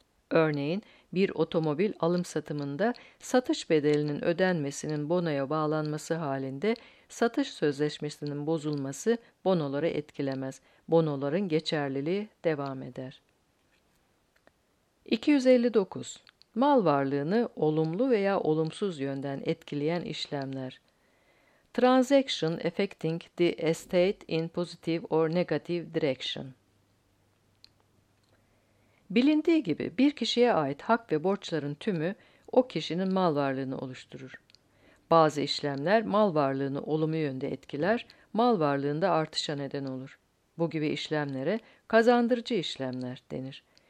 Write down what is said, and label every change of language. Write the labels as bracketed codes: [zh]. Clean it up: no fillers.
[tr] Örneğin, bir otomobil alım satımında satış bedelinin ödenmesinin bonoya bağlanması halinde Satış sözleşmesinin bozulması bonoları etkilemez. Bonoların geçerliliği devam eder. 259. Mal varlığını olumlu veya olumsuz yönden etkileyen işlemler. [en] Transaction affecting the estate in positive or negative direction. [tr] Bilindiği gibi bir kişiye ait hak ve borçların tümü o kişinin mal varlığını oluşturur. Bazı işlemler mal varlığını olumlu yönde etkiler, mal varlığında artışa neden olur. Bu gibi işlemlere kazandırıcı işlemler denir.